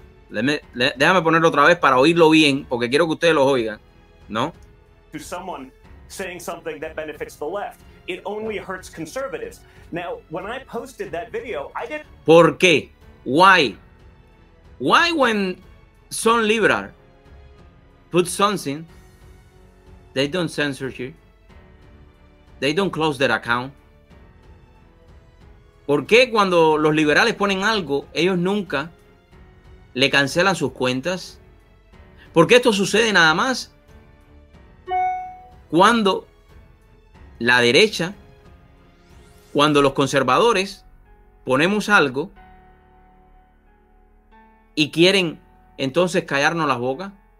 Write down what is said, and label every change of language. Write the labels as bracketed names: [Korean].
[Spanish] Déjame ponerlo otra vez para oírlo bien, porque quiero que ustedes lo oigan, ¿no? [English] To someone saying something that benefits the left, it only hurts conservatives. Now, when I posted that video, I didn't... [Spanish] ¿Por qué? [English] Why? Why when some liberal put something, they don't censor you? They don't close their account? [Spanish] ¿Por qué cuando los liberales ponen algo, ellos nunca le cancelan sus cuentas? ¿Por qué esto sucede nada más cuando la derecha, cuando los conservadores ponemos algo y quieren entonces callarnos las bocas?